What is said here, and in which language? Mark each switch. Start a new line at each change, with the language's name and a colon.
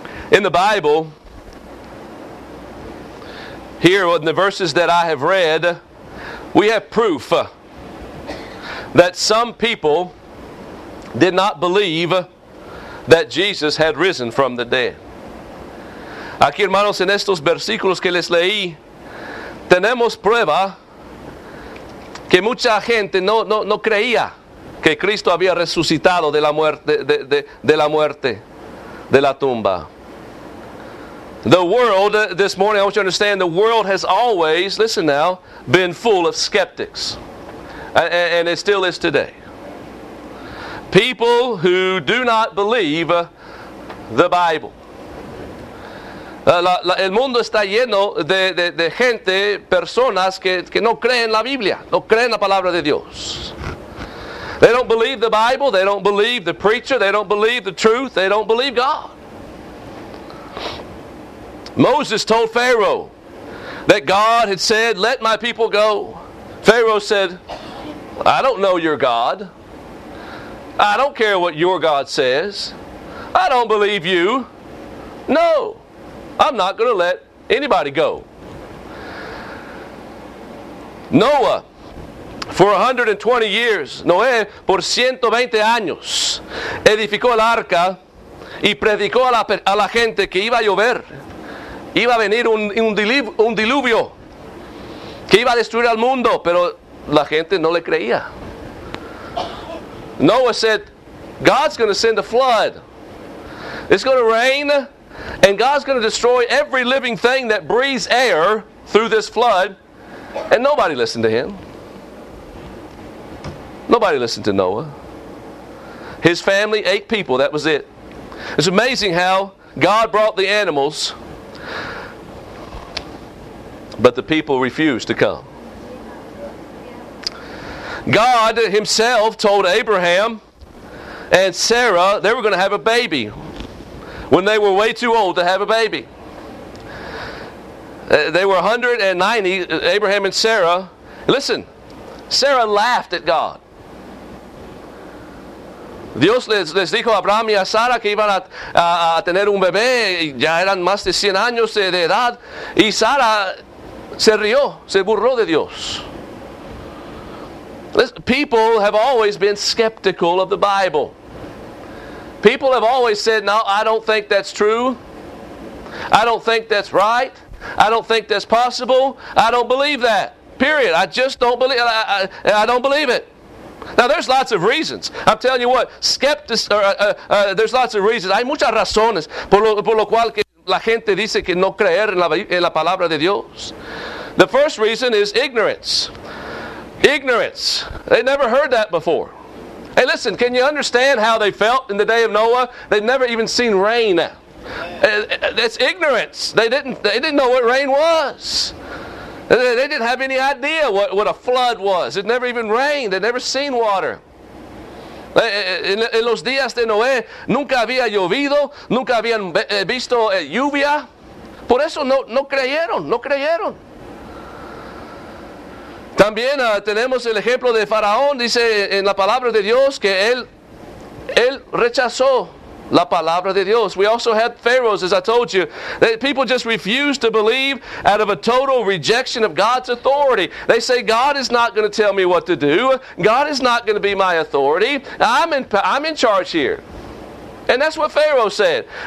English: In the Bible, here in the verses that I have read, we have proof that some people did not believe that Jesus had risen from the dead.
Spanish: Aquí, hermanos, en estos versículos que les leí, tenemos prueba que mucha gente no creía que Cristo había resucitado de la muerte, de la tumba.
English: The world, this morning, I want you to understand, the world has always, listen now, been full of skeptics. And it still is today. People who do not believe the Bible.
Spanish: El mundo está lleno de gente, personas que no creen la Biblia, no creen la palabra de Dios.
English: They don't believe the Bible, they don't believe the preacher, they don't believe the truth, they don't believe God. Moses told Pharaoh that God had said, let my people go. Pharaoh said, I don't know your God. I don't care what your God says. I don't believe you. No, I'm not going to let Anybody go.
Spanish: Noah,
English: for 120 years,
Spanish: Noé, por 120 años, edificó el arca y predicó a la gente que iba a llover, iba a venir un diluvio, que iba a destruir al mundo, pero la gente no le creía.
English: Noah said, God's going to send a flood. It's going to rain, and God's going to destroy every living thing that breathes air through this flood. And nobody listened to him. Nobody listened to Noah. His family, 8 people, that was it. It's amazing how God brought the animals, but the people refused to come. God himself told Abraham and Sarah they were going to have a baby when they were way too old to have a baby. They were 190, Abraham and Sarah. Listen, Sarah laughed at God.
Spanish: Dios les dijo a Abraham y a Sara que iban a tener un bebé, ya eran más de 100 años de edad, y Sara se rió, se burló de Dios.
English: People have always been skeptical of the Bible. People have always said, no, I don't think that's true. I don't think that's right. I don't think that's possible. I don't believe that. Period. I just don't believe it. I don't believe it. Now, there's lots of reasons. I'm telling you what, there's lots of reasons.
Spanish: Hay muchas razones por lo cual que la gente dice que no creer en la palabra de Dios.
English: The first reason is ignorance. Ignorance. They never heard that before. Hey, listen, can you understand how they felt in the day of Noah? They'd never even seen rain. That's ignorance. They didn't know what rain was. They didn't have any idea what a flood was. It never even rained. They'd never seen water.
Spanish: En los días de Noé, nunca había llovido. Nunca habían visto lluvia. Por eso no creyeron. También tenemos el ejemplo de Faraón. Dice en la palabra de Dios que él rechazó la palabra de Dios.
English: We also had Pharaohs, as I told you. People just refuse to believe out of a total rejection of God's authority. They say, God is not going to tell me what to do. God is not going to be my authority. I'm in charge here. And that's what Pharaoh said.